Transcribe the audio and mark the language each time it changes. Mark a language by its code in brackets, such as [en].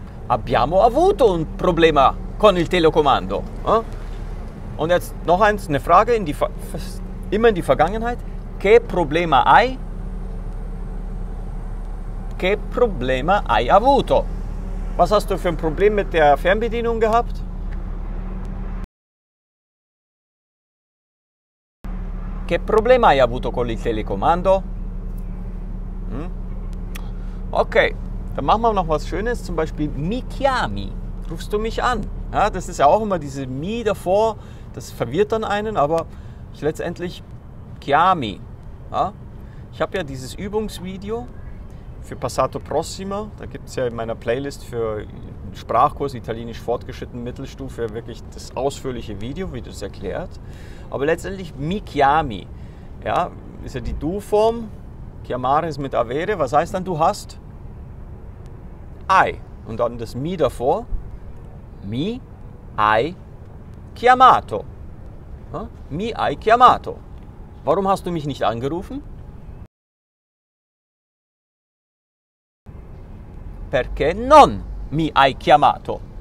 [it] Abbiamo avuto un problema con il telecomando. [de] Und jetzt noch eins, eine Frage, immer in die Vergangenheit. [it] Che problema hai? [de] Che problema hai avuto? Was hast du für ein Problem mit der Fernbedienung gehabt? [it] Che problema hai avuto con il telecomando? Hm? [de] Ok, dann machen wir noch was Schönes, zum Beispiel mi chiami, rufst du mich an? Ja, das ist ja auch immer diese mi davor, das verwirrt dann einen, aber ich letztendlich chiami. Ja? Ich habe ja dieses Übungsvideo für Passato Prossimo, da gibt es ja in meiner Playlist für Sprachkurs Italienisch fortgeschritten Mittelstufe wirklich das ausführliche Video, wie du es erklärt. Aber letztendlich mi chiami, ja, ist ja die Du-Form, chiamare ist mit avere, was heißt dann du hast? Ai, und dann das mi davor, [it] mi hai chiamato. Mi hai chiamato. [de] Warum hast du mich nicht angerufen? [it] Perché non mi hai chiamato.